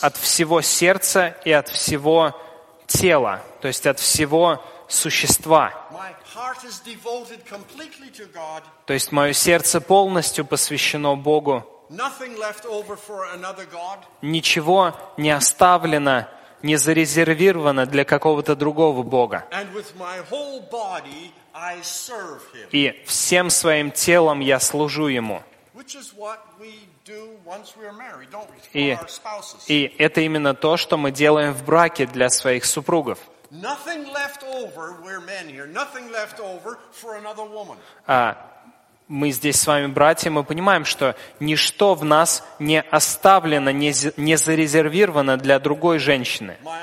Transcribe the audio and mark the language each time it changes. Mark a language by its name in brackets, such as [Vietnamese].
[Russian] От всего сердца и от всего тела, то есть от всего существа. [English] My heart is devoted completely to God. [Russian] То есть мое сердце полностью посвящено Богу. [English] Nothing left over for another God. [Russian] Ничего не оставлено, не зарезервировано для какого-то другого Бога. [English] And with my whole body I serve him. [Russian] И всем своим телом я служу Ему. [English] Which is what we do once we are married, don't we? Our spouses. [Russian] И это именно то, что мы делаем в браке для своих супругов. [English] Nothing left over, we're men here, nothing left over for another woman. [Russian] Мы здесь с вами, братья, мы понимаем, что ничто в нас не оставлено, не зарезервировано для другой женщины.